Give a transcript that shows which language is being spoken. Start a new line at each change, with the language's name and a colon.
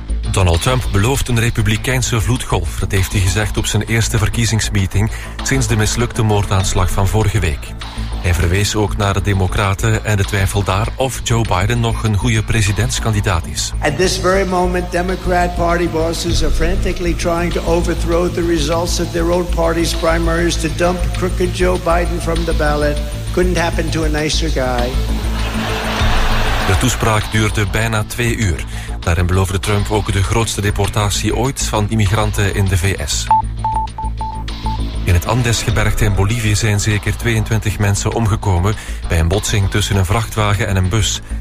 Dutch: Donald Trump belooft een republikeinse vloedgolf. Dat heeft hij gezegd op zijn eerste verkiezingsmeeting sinds de mislukte moordaanslag van vorige week. Hij verwees ook naar de Democraten en de twijfel daar of Joe Biden nog een goede presidentskandidaat is.
English: At this very moment, Democrat party bosses are frantically trying to overthrow the results of their own party's primaries to dump crooked Joe Biden from the ballot. Couldn't happen to a nicer guy.
Dutch: De toespraak duurde bijna 2 uur. Daarin beloofde Trump ook de grootste deportatie ooit van immigranten in de VS. In het Andesgebergte in Bolivie zijn zeker 22 mensen omgekomen bij een botsing tussen een vrachtwagen en een bus.